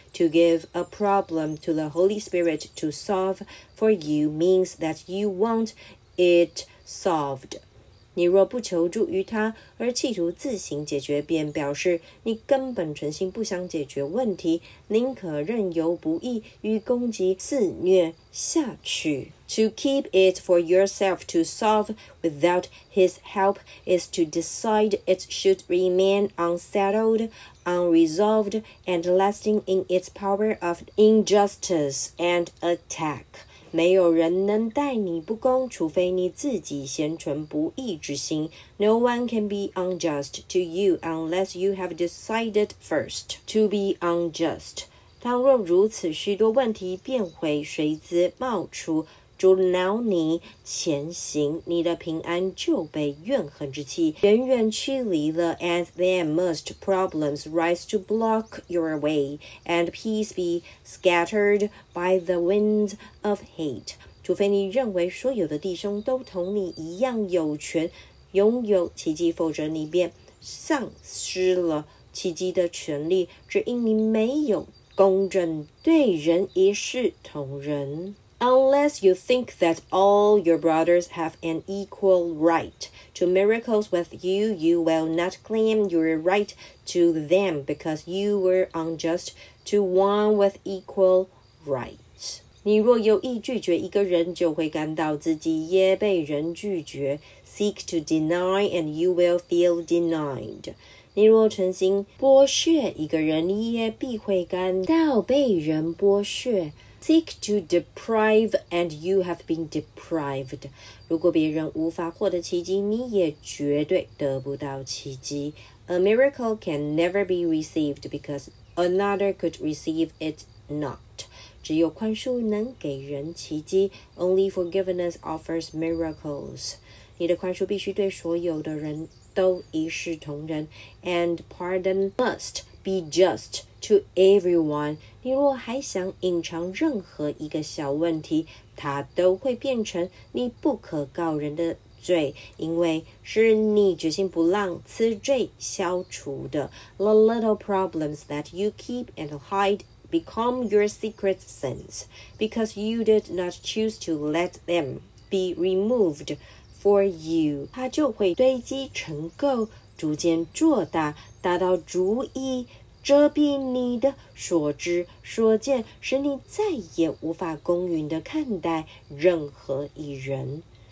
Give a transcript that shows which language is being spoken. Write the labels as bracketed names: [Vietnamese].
[English] To give a problem to the Holy Spirit to solve for you means that you want it solved. [Chinese] 你若不求助于他，而企图自行解决，便表示你根本存心不想解决问题，宁可任由不义与攻击肆虐下去。 [English] To keep it for yourself to solve without his help is to decide it should remain unsettled, unresolved, and lasting in its power of injustice and attack. [Chinese] 没有人能待你不公，除非你自己先存不义之心。 [English] No one can be unjust to you unless you have decided first to be unjust. [Chinese] 倘若如此，许多问题便会随之冒出。阻挠你前行，你的平安就被怨恨之气远远驱离了。 [English] And then must problems rise to block your way, and peace be scattered by the winds of hate. [Chinese] 除非你认为所有的弟兄都同你一样有权拥有奇迹，否则你便丧失了奇迹的权利，只因你没有公正对人一视同仁。 [English] Unless you think that all your brothers have an equal right to miracles with you, you will not claim your right to them because you were unjust to one with equal right. [Chinese] 你若有意拒绝一个人，就会感到自己也被人拒绝。 [English] Seek to deny and you will feel denied. [Chinese] 你若存心剥削一个人，你也必会感到被人剥削。 [English] Seek to deprive and you have been deprived. [Chinese] 如果别人无法获得奇迹，你也绝对得不到奇迹。 [English] A miracle can never be received because another could receive it not. [Chinese] 只有宽恕能给人奇迹。 [English] Only forgiveness offers miracles. [Chinese] 你的宽恕必须对所有的人都一视同仁。 [English] And pardon must be just. To everyone, [Chinese] 你若还想隐藏任何一个小问题，它都会变成你不可告人的罪，因为是你决心不让此罪消除的。 [English] The little problems that you keep and hide become your secret sins, because you did not choose to let them be removed for you. [Chinese] 它就会堆积成垢，逐渐做大，大到足以遮蔽你的所知所见，使你再也无法公允地看待任何一人。